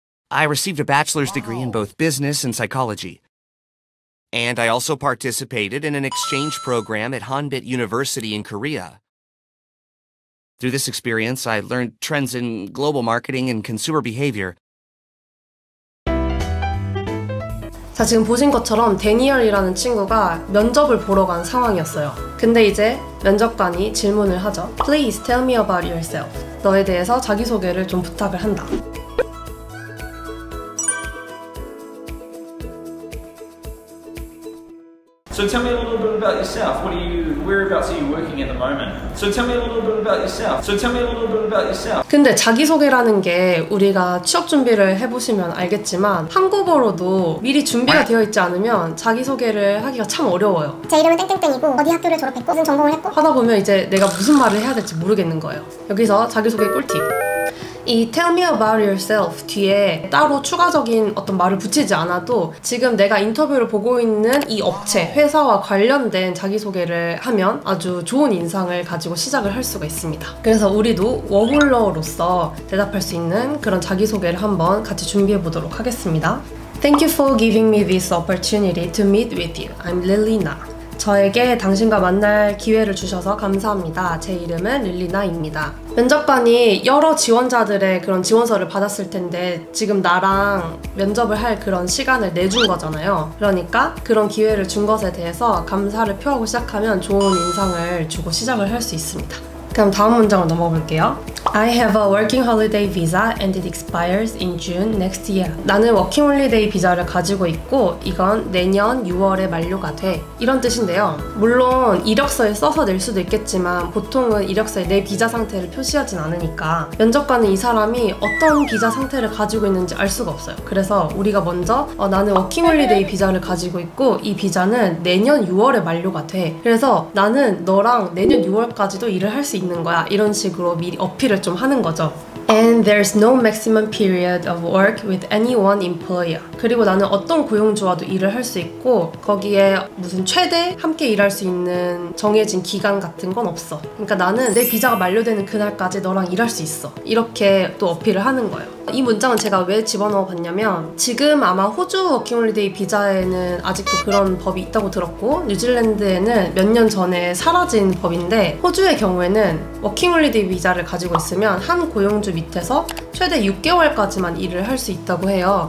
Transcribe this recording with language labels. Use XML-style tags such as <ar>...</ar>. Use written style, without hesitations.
<en>I received a bachelor's degree in both business and psychology. And I also participated in an exchange program at Hanbit University in Korea. Through this experience, I learned trends in global marketing and consumer behavior.</en> <ko>자, 지금 보신 것처럼 데니얼이라는 친구가 면접을 보러 간 상황이었어요. 근데 이제 면접관이 질문을 하죠.</ko> <en>Please tell me about yourself.</en> <ko>너에 대해서 자기소개를 좀 부탁을 한다.</ko> <en>So tell me a little bit about yourself. Whereabouts are you working at the moment? So tell me a little bit about yourself. So tell me a little bit about yourself.</en> <ko>근데 자기소개라는 게 우리가 취업 준비를 해보시면 알겠지만 한국어로도 미리 준비가 되어 있지 않으면 자기소개를 하기가 참 어려워요. 제 이름은 땡땡땡이고 어디 학교를 졸업했고 무슨 전공을 했고 하다 보면 이제 내가 무슨 말을 해야 될지 모르겠는 거예요. 여기서 자기소개 꿀팁. 이</ko> <en>tell me about yourself</en> <ko>뒤에 따로 추가적인 어떤 말을 붙이지 않아도 지금 내가 인터뷰를 보고 있는 이 업체, 회사와 관련된 자기소개를 하면 아주 좋은 인상을 가지고 시작을 할 수가 있습니다. 그래서 우리도 워홀러로서 대답할 수 있는 그런 자기소개를 한번 같이 준비해 보도록 하겠습니다.</ko> <en>Thank you for giving me this opportunity to meet with you. I'm Lilina.</en> <ko>저에게 당신과 만날 기회를 주셔서 감사합니다. 제 이름은 릴리나입니다. 면접관이 여러 지원자들의 그런 지원서를 받았을 텐데 지금 나랑 면접을 할 그런 시간을 내준 거잖아요. 그러니까 그런 기회를 준 것에 대해서 감사를 표하고 시작하면 좋은 인상을 주고 시작을 할 수 있습니다. 그럼 다음 문장으로 넘어볼게요.</ko> <en>I have a working holiday visa and it expires in June next year.</en> <ko>나는 working holiday 비자를 가지고 있고 이건 내년 6월에 만료가 돼. 이런 뜻인데요. 물론 이력서에 써서 낼 수도 있겠지만 보통은 이력서에 내 비자 상태를 표시하진 않으니까 면접관은 이 사람이 어떤 비자 상태를 가지고 있는지 알 수가 없어요. 그래서 우리가 먼저 나는 working holiday 비자를 가지고 있고 이 비자는 내년 6월에 만료가 돼. 그래서 나는 너랑 내년 6월까지도 일을 할 수 있는 거야. 이런 식으로 미리 어필을 좀 하는 거죠.</ko> <en>And there's no maximum period of work with any one employer.</en> <ko>그리고 나는 어떤 고용주와도 일을 할 수 있고 거기에 무슨 최대 함께 일할 수 있는 정해진 기간 같은 건 없어. 그러니까 나는 내 비자가 만료되는 그날까지 너랑 일할 수 있어. 이렇게 또 어필을 하는 거예요. 이 문장은 제가 왜 집어넣어 봤냐면 지금 아마 호주 워킹 홀리데이 비자에는 아직도 그런 법이 있다고 들었고 뉴질랜드에는 몇 년 전에 사라진 법인데 호주의 경우에는 워킹 홀리데이 비자를 가지고 있으면 한 고용주 밑에서 최대 6개월까지만 일을 할 수 있다고 해요.</ko>